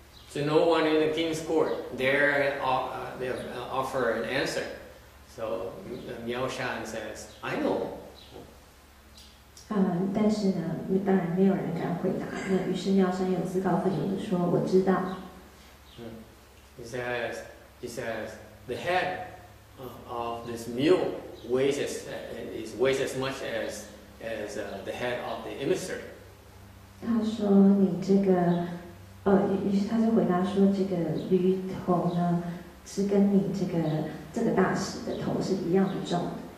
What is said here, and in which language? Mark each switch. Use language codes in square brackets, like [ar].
[en] So no one in the king's court dare offer an answer. So Miao Shan says, "I know." [zh] 但是呢，当然没有人敢回答。那于是妙善又自告奋勇地说，我知道。 [en] He says. The head of this mule weighs as much as the head of the emissary. [zh] 他说你这个，于是他就回答说这个驴头呢是跟你这个大使的头是一样的重的。